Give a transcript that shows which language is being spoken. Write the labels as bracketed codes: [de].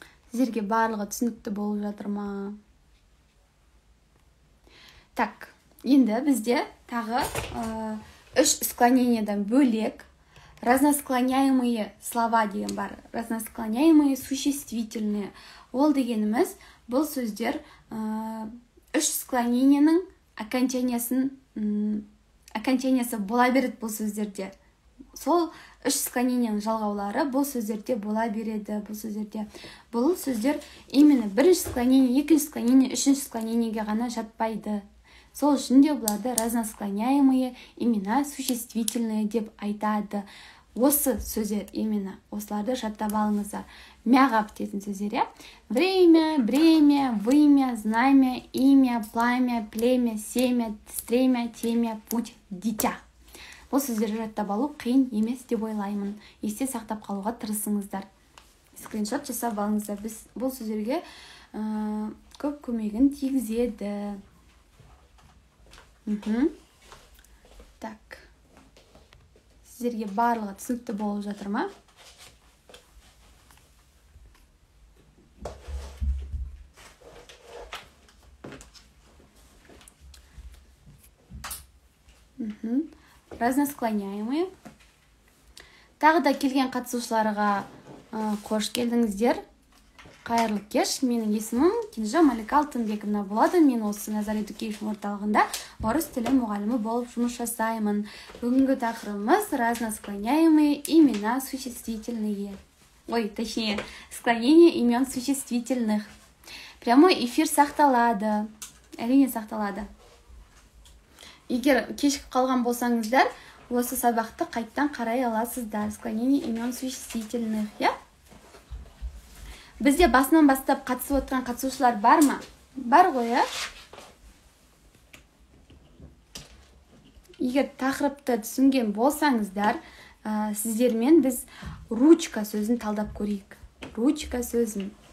[kk] Сіздерге барлығы түсінікті болып жатыр ма? Так, енді бізде тағы үш склонениядан бөлек разносклоняемые слова деген бар. [ru] Разносклоняемые существительные. [kk] Ол дегеніміз бұл сөздер үш склоненияның окончаниесі бола береді бұл сөздерде. Сол үш склонениенің жалғаулары бұл сөздерде бола береді, бұл сөздерде. Бұл сөздер именно бірінші склонение, екінші склонение, үшінші склонениеге ғана жатпайды. Сол үшін де бұларды разносклоняемые имена существительные деп айтады. Осы сөздер имена осыларды жаттап алыңыздар. Мяға бітетін сөздер, я? [ru] Время, бремя, вымя, знамя, имя, пламя, племя, семя, стремя, темя, путь, дитя. [kk] Бұл сөздер жаттап алу қиын емес деп ойлаймын. Есте сақтап қалуға тырысыңыздар. Скриншот жасап алыңыздар. Біз бұл сөздерге көп көмегін тигізеді. Так. Сіздерге барлығы түсінікті болып жатыр ма? Разносклоняемые. Тағы да келген қатысушыларға қош келдіңіздер. Қайырлы кеш. Менің есімім Кенже Малика Алтынбековна болады. Мен осы Назар Education орталығында орыс тілі мұғалімі болып жұмыс жасаймын. Бүгінгі тақырымымыз разносклоняемые имена существительные. [ru] Ой, точнее, склонение имен существительных. [kk] Прямой эфир сақталады. Әрине сақталады. Егер кешігіп қалған болсаңыздар, осы сабақты қайттан қарай аласыздар. [ru] Склонение имен существительных, иә? [kk] Бізде басынан бастап қатысып отырған қатысушылар бар ма? Бар ғой, иә? Егер тақырыпты түсінген болсаңыздар, сіздермен біз ручка сөзін талдап көрейік. Ручка сөзін.